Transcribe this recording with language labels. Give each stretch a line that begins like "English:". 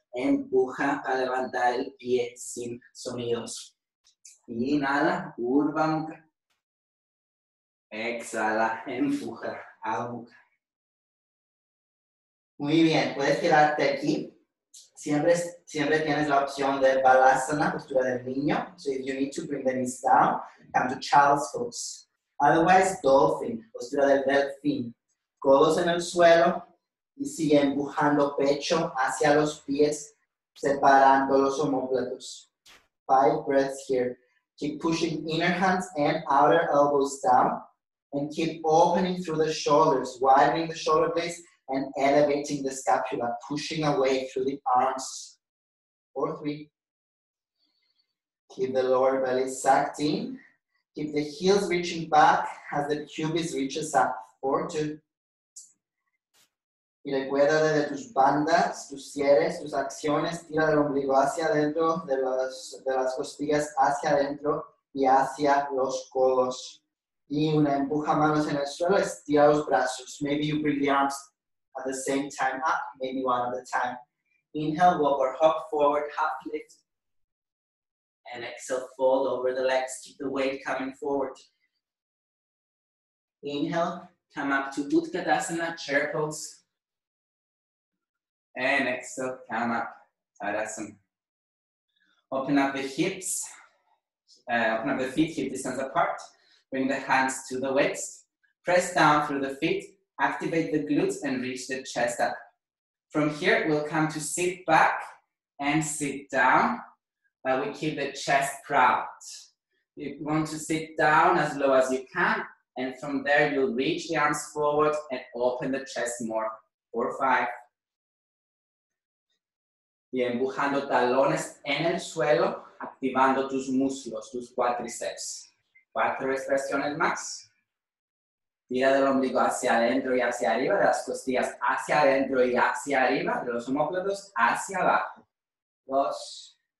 Spanish: Empuja para levantar el pie sin sonidos. Inhala, Urdhva Mukha. Exhala, empuja, Adho Mukha. Muy bien, puedes quedarte aquí. Siempre tienes la opción de Balasana, postura del niño.
English: So if you need to bring the knees down, come to Child's Pose. Otherwise,
Spanish: Dolphin, postura del delfín. Codos en el suelo y sigue empujando pecho hacia los pies, separando los omóplatos.
English: 5 breaths here. Keep pushing inner hands and outer elbows down and keep opening through the shoulders, widening the shoulder blades, and elevating the scapula, pushing away through the arms. 4, 3. Keep the lower belly sucked in. Keep the heels reaching back as the pubis reaches up. 4, 2.
Spanish: Y recuérdate de tus bandas, tus cierres, tus acciones. Tira del ombligo hacia adentro, de las costillas hacia adentro y hacia los codos. Y una empuja manos en el suelo, estira los brazos.
English: Maybe you bring the arms at the same time up, maybe one at a time. Inhale, walk or hop forward, half lift. And exhale, fold over the legs, keep the weight coming forward. Inhale, come up to Utkatasana, chair pose. And exhale, come up, Tadasana. Open up the hips, open up the feet, hip distance apart. Bring the hands to the waist, press down through the feet. Activate the glutes and reach the chest up. From here, we'll come to sit back and sit down, but we keep the chest proud. You want to sit down as low as you can And from there, you'll reach the arms forward and open the chest more. 4, 5.
Spanish: Bien, empujando talones en el suelo, activando tus muslos, tus cuádriceps. 4 respiraciones más. Tira del ombligo hacia adentro y hacia arriba, de las costillas hacia adentro y hacia arriba, de los homóplatos hacia abajo. 2.